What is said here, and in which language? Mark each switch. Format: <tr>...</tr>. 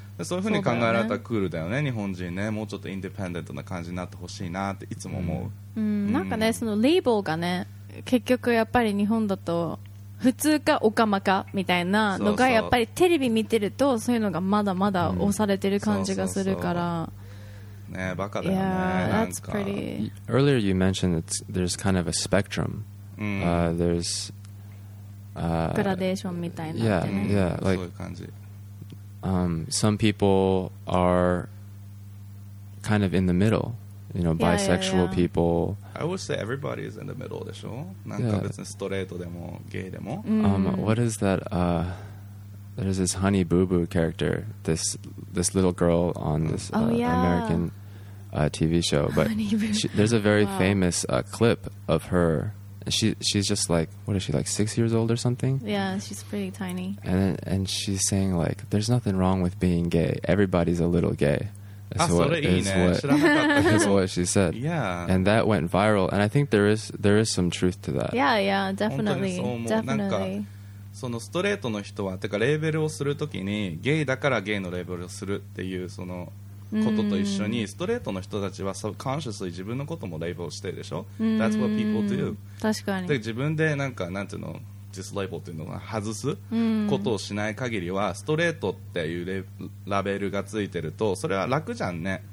<ja>でそういう風に考えられたらクールだよ ね日本人ねもうちょっとインディペンデントな感じになってほしいなっていつも思う、うんうん、なんかねそのレーボーがね結局やっぱり日本だと普通かオカマかみたいなのがやっぱりテレビ見てるとそういうのがまだまだ押されてる感じがするから、うんそうそうそうね、バカだよね。</ja> <en>Yeah, that's pretty. Earlier you mentioned that there's kind of a spectrum. There's</en> <ja>グラデーションみたいな。</ja> <en>Yeah, yeah, like</en> <ja>そういう感じ。</ja> <en>Some people are kind of in the middle. You know, bisexual people. I would say everybody is in the middle,</en> <ja>でしょ。なんか別にストレートでもゲイでも。</ja> <en>What is that? There's this Honey Boo Boo character, this little girl on this American TV show. But there's a very famous clip of her. She's just like, what is she, like 6 years old or something? Yeah, she's pretty tiny. And she's saying like, there's nothing wrong with being gay. Everybody's a little gay. That's what she said. Yeah. And that went viral. And I think there is some truth to that. Yeah, yeah, definitely. Definitely.</en> <ja>そのストレートの人はてかレーベルをするときにゲイだからゲイのレーベルをするっていうそのことと一緒に、ストレートの人たちは subconsciously自分のこともレイブルしてるでしょ。</ja> <en>うん、That's what people do.</en> <ja>確かに。で、自分でなんかなんていうの、ディスレイブルっていうのを外すことをしない限りは、ストレートっていうラベルがついてると、それは楽じゃんね。</ja>